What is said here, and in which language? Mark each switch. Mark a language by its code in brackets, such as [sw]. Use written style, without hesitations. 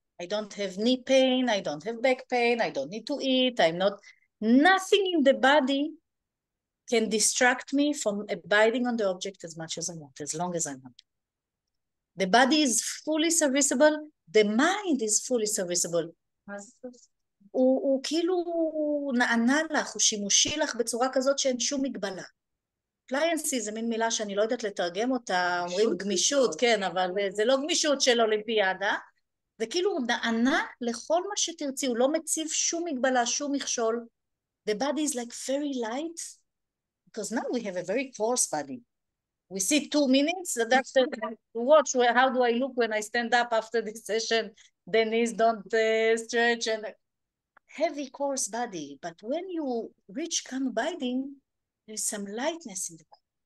[en] I don't have knee pain, I don't have back pain, I don't need to eat, nothing in the body can distract me from abiding on the object as much as I want, as long as I want. The body is fully serviceable, the mind is fully serviceable. [he] הוא כאילו נענה לך, הוא שימושי לך בצורה כזאת שאין שום מגבלה. פליינסי זה מין מילה שאני לא יודעת לתרגם אותה, אומרים גמישות, כן, אבל זה לא גמישות של אולימפיאדה. זה כאילו הוא נענה לכל מה שתרצי, הוא לא מציב שום מגבלה, שום מכשול. [en] The body is like very light, because now we have a very coarse body. We see 2 minutes, so that's the watch, how do I look when I stand up after this session, the knees don't stretch and... heavy coarse body, but when you reach Kama Abiding, there's some lightness in the body.